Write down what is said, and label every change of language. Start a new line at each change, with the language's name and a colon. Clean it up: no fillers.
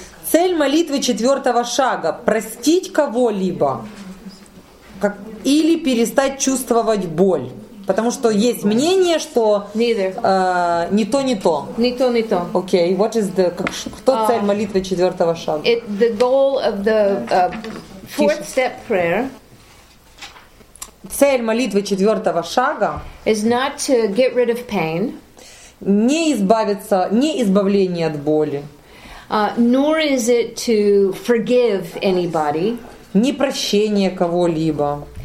Russian: Цель молитвы четвертого шага – простить кого-либо. Как, или перестать чувствовать боль. Потому что есть мнение, что не то, не то. Не то, не то. Окей,
English: what is the,
Russian: как, кто цель молитвы четвертого шага?
English: It, the goal of the fourth step prayer.
Russian: Цель молитвы четвертого шага
English: is not to get rid of pain.
Russian: Не избавиться, не избавление от боли.
English: Nor is it to forgive anybody.
Russian: Не прощение кого-либо.